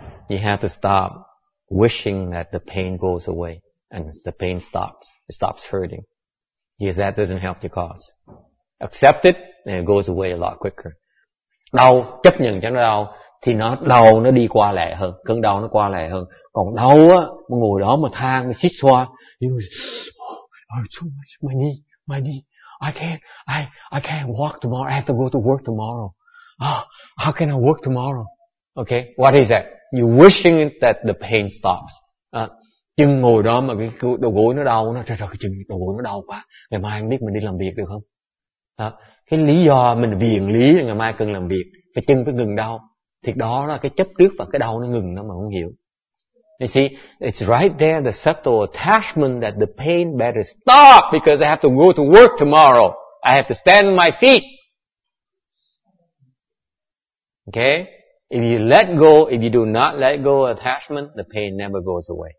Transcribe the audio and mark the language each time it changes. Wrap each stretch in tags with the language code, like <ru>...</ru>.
<en>You have to stop wishing that the pain goes away and the pain stops. It stops hurting. Because that doesn't help your cause. Accept it and it goes away a lot quicker.</en> <vi>Đau, chấp nhận cho nó đau thì nó đau nó đi qua lẹ hơn, cơn đau nó qua lẹ hơn. Còn đau á, mà ngồi đó mà than, xích xoa,</vi> <en>you are too much, my knee, I can't walk tomorrow, I have to go to work tomorrow. Ah, how can I work tomorrow? Okay, what is that? You wishing that the pain stops.</en> <vi>Chân ngồi đó mà cái đầu gối nó đau, nó trời chân đầu gối nó đau quá. Ngày mai không biết mình đi làm việc được không? Cái lý do mình viện lý là ngày mai cần làm việc, cái chân phải ngừng đau. Thì đó là cái chấp trước và cái đau nó ngừng nó mà không hiểu.</vi> <en>You see, it's right there, the subtle attachment that the pain better stop because I have to go to work tomorrow. I have to stand on my feet. Okay? If you let go, if you do not let go of attachment, the pain never goes away.</en>